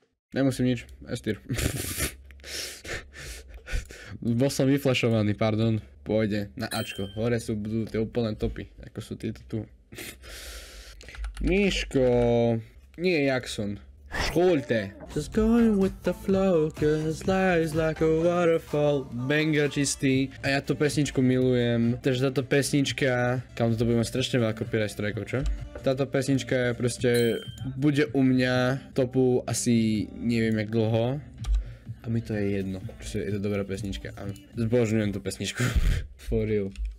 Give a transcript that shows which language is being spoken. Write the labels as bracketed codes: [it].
[sk] Nemusím nič. Estir. Bol som vyflašovaný, pardon. Pôjde na Ačko. Hore sú budú tie úplné topy, ako sú tieto tu. Miško... Nie Jackson. Škoľte. [en] Just going with the flow, cause life is like a waterfall. [sk] Banger čistý. A ja tú pesničku milujem. Takže táto pesnička, kam to bude mať strašne veľa copyright strikeov, čo? Táto pesnička je proste, bude u mňa topu asi neviem jak dlho. A mi to je jedno, čiže je to dobrá pesnička. A zbožňujem tú pesničku. [en] For real.